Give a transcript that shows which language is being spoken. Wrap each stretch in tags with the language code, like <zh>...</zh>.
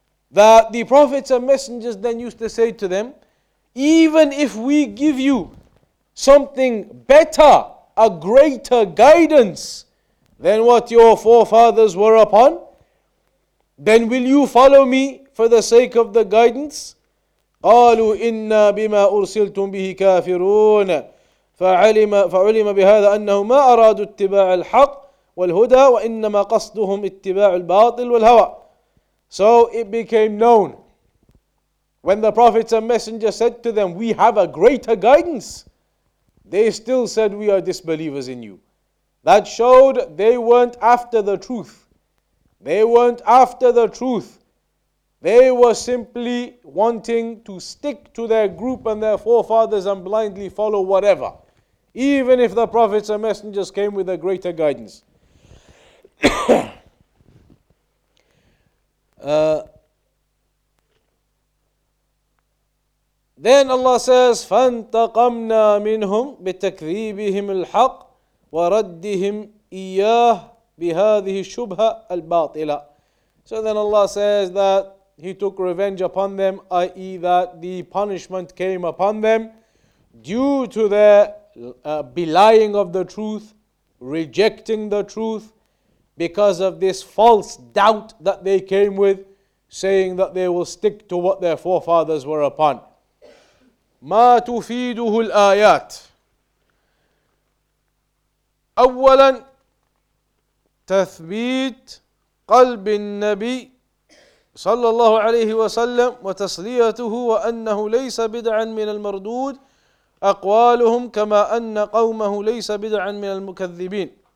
<en>That the prophets and messengers then used to say to them, even if we give you something better, a greater guidance than what your forefathers were upon, then will you follow me for the sake of the guidance?</en> <ar>قالوا إنا بما أرسلتم به كافرون فعلم بهذا أنه ما أرادوا اتباع الحق والهدى وإنما قصدهم اتباع الباطل والهوى.</ar> <en>So it became known when the prophets and messengers said to them, we have a greater guidance, they still said, we are disbelievers in you. That showed they weren't after the truth. They weren't after the truth. They were simply wanting to stick to their group and their forefathers and blindly follow whatever, even if the prophets and messengers came with a greater guidance. Then Allah says,</en> <ar>فَانْتَقَمْنَا مِنْهُمْ بِتَكْذِيبِهِمْ الْحَقِّ وَرَدِّهِمْ إياه بهذه الشبهة الباطلة.</ar> <en>So then Allah says that He took revenge upon them, i.e. that the punishment came upon them due to their belying of the truth, rejecting the truth, because of this false doubt that they came with, saying that they will stick to what their forefathers were upon.</en> <ar>ما تفيده الآيات أولا تثبيت قلب النبي صلى الله عليه وسلم وتصليته وأنه ليس بدعا من المردود أقوالهم كما أن قومه ليس بدعا من المكذبين.</ar>